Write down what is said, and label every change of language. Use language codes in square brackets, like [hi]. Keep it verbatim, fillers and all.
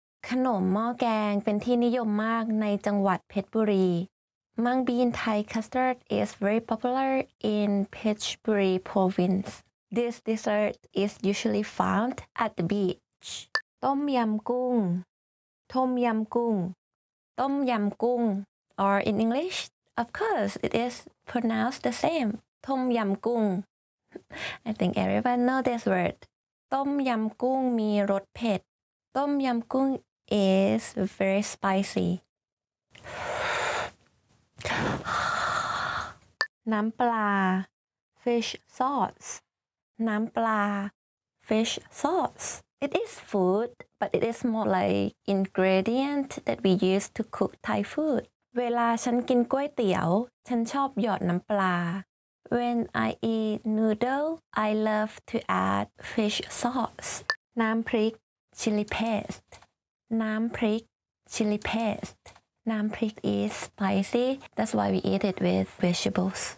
[th] ขนมหม้อแกงเป็นที่นิยมมากในจังหวัดเพชรบุรี [en] Mung bean Thai custard is very popular in Phetchaburi province. This dessert is usually found at the beach. ต้มยำกุ้ง ต้มยำกุ้ง ต้มยำกุ้ง or in English, of course, it is pronounced the same. ต้มยำกุ้ง I think everyone knows this word. [th] ต้มยำกุ้งมีรสเผ็ด ต้มยำกุ้ง [en] is very spicy. น้ำปลา fish sauce. น้ำปลา fish sauce. It is food, but it is more like ingredient that we use to cook Thai food. [th] เวลาฉันกินก๋วยเตี๋ยวฉันชอบหยอดน้ำปลา [en] When I eat noodle, I love to add fish sauce. น้ำพริก chili paste. น้ำพริก chili paste. น้ำพริก is spicy. That's why we eat it with vegetables.